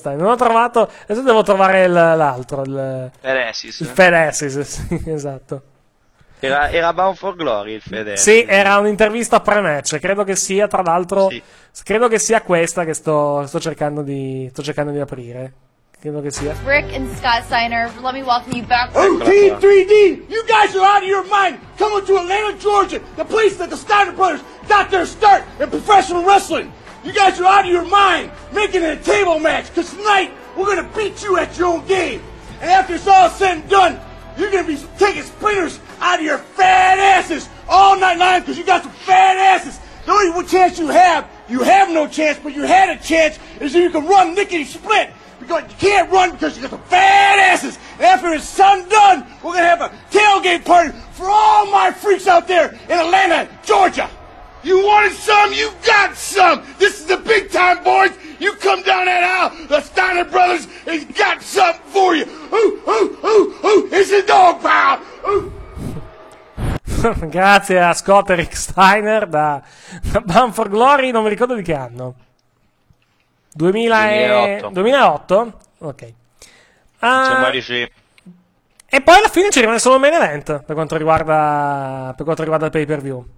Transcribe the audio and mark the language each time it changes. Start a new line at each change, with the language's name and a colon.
Italian: Non ho trovato, adesso devo trovare l'altro, il Fedesis. Il Fedesis, sì, esatto. Era Bound for Glory il Fedesis. Sì, era un'intervista pre-match, credo che sia, tra l'altro, sì. Credo che sia questa che sto cercando di aprire.
English: Rick and Scott Steiner, let me welcome you back. OT3D, you guys are out of your mind. Coming to Atlanta, Georgia, the place that the Steiner brothers got their start in professional wrestling. You guys are out of your mind making it a table match, because tonight we're going to beat you at your own game. And after it's all said and done, you're going to be taking splinters out of your fat asses all night long, because you got some fat asses. The only chance you have no chance, but you had a chance, is if you can run Nickety Split. Because you can't run because you got some fat asses. And after it's done, we're gonna have a tailgate party for all my freaks out there in Atlanta, Georgia. You wanted some? You got some. This is the big time, boys. You come down that aisle. The Steiner Brothers has got something for you. Ooh, ooh, ooh, ooh. It's a dog pile. Ooh.
Italian: grazie a Scott Rick Steiner da Bound for Glory, non mi ricordo di che anno. 2008? Ok. E poi alla fine ci rimane solo un main event per quanto riguarda il pay per view.